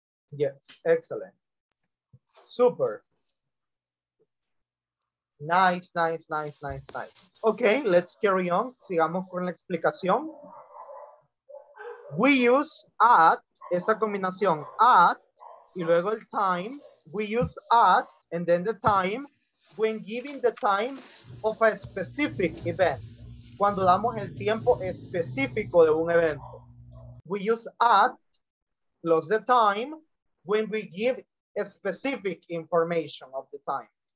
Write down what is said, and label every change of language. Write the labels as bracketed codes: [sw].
[en] Yes, excellent. Super. Nice, nice, nice, nice, nice. Okay, let's carry on. [es] Sigamos con la explicación. [en] We use at, [es] esta combinación, [en] at, [es] y luego el [en] time. We use at, and then the time, when giving the time of a specific event. [es] Cuando damos el tiempo específico de un evento. [en] We use at, plus the time, when we give a specific information of the time.